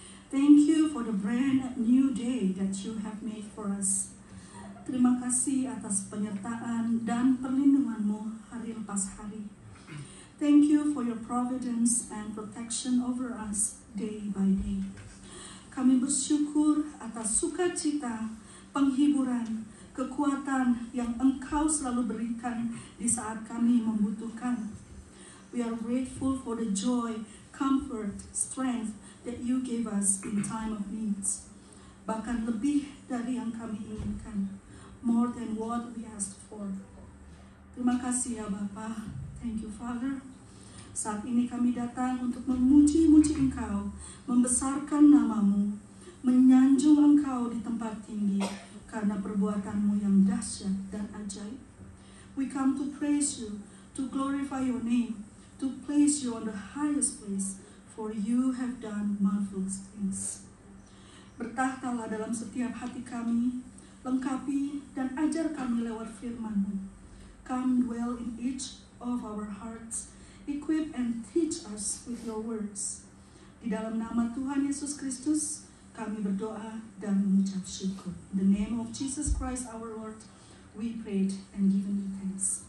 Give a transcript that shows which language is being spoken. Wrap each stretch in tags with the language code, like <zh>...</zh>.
<en>Thank you for the brand new day that you have made for us.</en> <id>Terima kasih atas penyertaan dan perlindungan-Mu hari lepas hari.</id> <en>Thank you for your providence and protection over us day by day.</en> <id>Kami bersyukur atas sukacita, penghiburan, kekuatan yang Engkau selalu berikan di saat kami membutuhkan.</id> <en>We are grateful for the joy, comfort, strength that you gave us in time of need.</en> <id>Bahkan lebih dari yang kami inginkan.</id> <en>More than what we asked for.</en> <id>Terima kasih ya Bapa.</id> <en>Thank you Father.</en> <id>Saat ini kami datang untuk memuji-muji Engkau, membesarkan nama-Mu, menyanjung Engkau di tempat tinggi karena perbuatan-Mu yang dahsyat dan ajaib.</id> <en>We come to praise you, to glorify your name, to place you on the highest place, for you have done marvelous things.</en> <id>Bertahtalah dalam setiap hati kami, lengkapi dan ajar kami lewat firman-Mu.</id> <en>Come dwell in each of our hearts, equip and teach us with your words.</en> <id>Di dalam nama Tuhan Yesus Kristus, kami berdoa dan mengucap syukur.</id> <en>In the name of Jesus Christ our Lord, we prayed and given you thanks.</en>